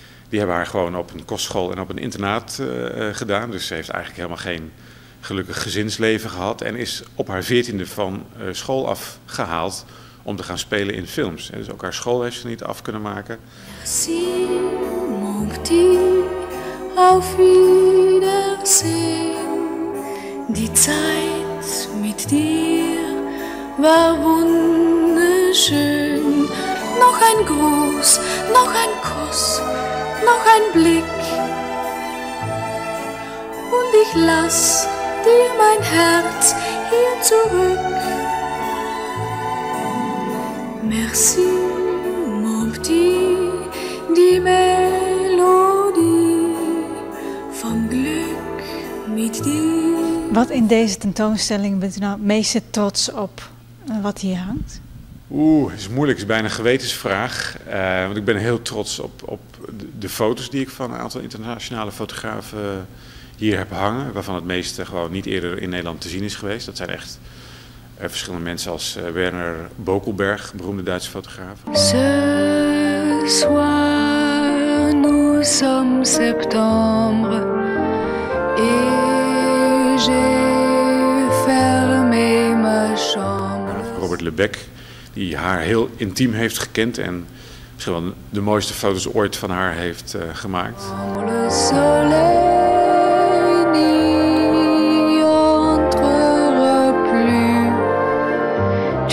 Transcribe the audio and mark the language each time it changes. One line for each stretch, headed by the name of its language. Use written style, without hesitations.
Dutch: Die hebben haar gewoon op een kostschool en op een internaat gedaan. Dus ze heeft eigenlijk helemaal geen gelukkig gezinsleven gehad. En is op haar 14e van school afgehaald om te gaan spelen in films. En dus ook haar school heeft ze niet af kunnen maken.
French: Merci, mon petit,
German: auf Wiedersehen. Die Zeit dir war wunderschön. Noch ein Gruß, noch ein Kuss, noch ein Blick. Und ich lass dir mein Herz hier zurück.
French: Merci, mon petit,
German: die Melodie vom Glück mit dir.
Dutch: Wat in deze tentoonstelling bent u nou het meeste trots op wat hier hangt? Oeh, is moeilijk. Is bijna een gewetensvraag. Want ik ben heel trots op de foto's die ik van een aantal internationale fotografen hier heb hangen. Waarvan het meeste gewoon niet eerder in Nederland te zien is geweest. Dat zijn echt verschillende mensen als Werner Bokelberg, beroemde Duitse fotograaf.
French: Ce soir nous sommes septembre et j'ai fermé ma chambre.
Dutch: Robert Lebec, die haar heel intiem heeft gekend en misschien wel de mooiste foto's ooit van haar heeft gemaakt.
French: Le soleil n'y entrera plus.